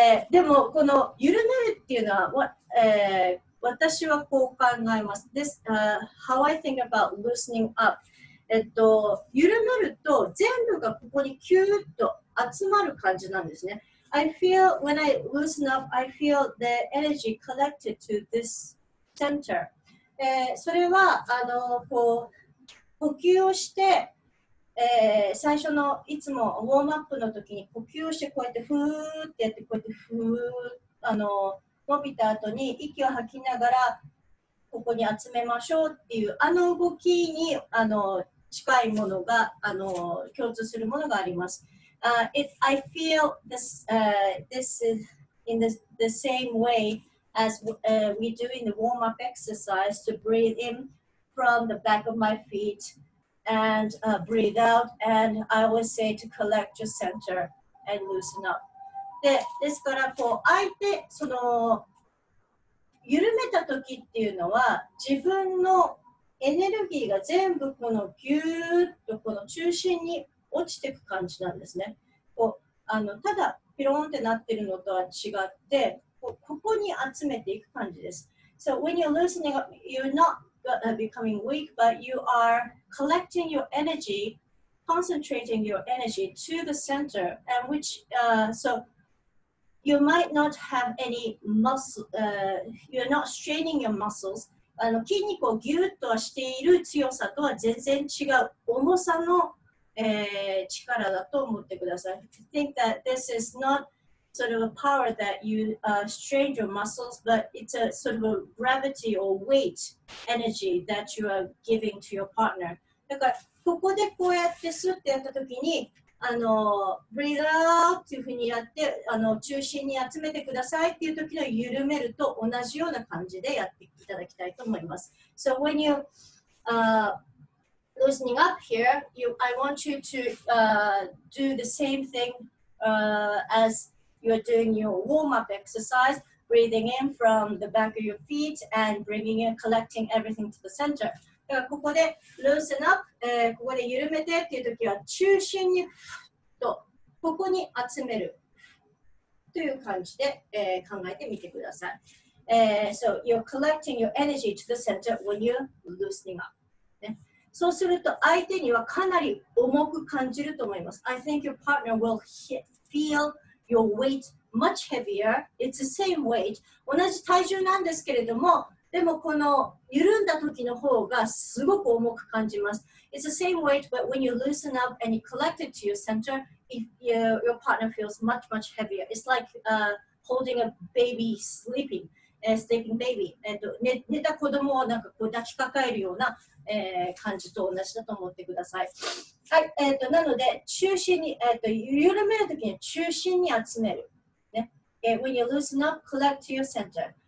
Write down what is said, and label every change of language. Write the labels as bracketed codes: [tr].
[ja] でもこの緩めるっていうのは、私はこう考えます。 [en] This, how I think about loosening up. [ja] 緩めると全部がここにキューッと集まる感じなんですね。 [en] I feel when I loosen up, I feel the energy collected to this center. [ja] それはこう呼吸をして、最初のいつもウォームアップの時に呼吸をしてこうやってふーってやってこうやってふー伸びた後に息を吐きながらここに集めましょうっていうあの動きに近いものが共通するものがあります。 [en] If I feel this, this is in the same way as we do in the warm up exercise to breathe in from the back of my feet and breathe out, and I always say to collect your center and loosen up. [ja] で、ですからこう相手その緩めた時っていうのは自分のエネルギーが全部このギューッとこの中心に落ちていく感じなんですね。こうただピローンってなってるのとは違って、ここに集めていく感じです。 [en] So when you're loosening up, you're not becoming weak, but you are collecting your energy, concentrating your energy to the center, and which, so you might not have any muscle, you're not straining your muscles. [ja] 筋肉をギュッとはしている強さとは全然違う重さの力だと思ってください。 [en] I think that this is not sort of a power that you strain your muscles, but it's a sort of a gravity or weight energy that you are giving to your partner. [ja] だからここでこうやってスッてやった時に、 [en] breathe out [ja] っていうふうにやって、中心に集めてくださいっていう時の緩めると同じような感じでやっていただきたいと思います。 [en] So when you loosening up here, I want you to do the same thing as you are doing your warm-up exercise, breathing in from the back of your feet and bringing in, collecting everything to the center. [ja] だからここで [en] loosen up、 [ja] ここで緩めてっていう時は中心にとここに集めるという感じで、考えてみてください。 [en] So you're collecting your energy to the center when you're loosening up. [ja] そうすると相手にはかなり重く感じると思います。 [en] I think your partner will feel your weight much heavier. It's the same weight. [ja] 同じ体重なんですけれども、でもこの緩んだ時の方がすごく重く感じます。 [en] It's the same weight, but when you loosen up and you collect it to your center, your partner feels much, much heavier. It's like holding a baby sleeping. Sleeping baby. [ja] 寝た子供をなんかこう抱きかかえるような、感じと同じだと思ってください。はい、なので、中心に、緩めるときに中心に集める、ね。 [en] When you loosen up, collect to your center.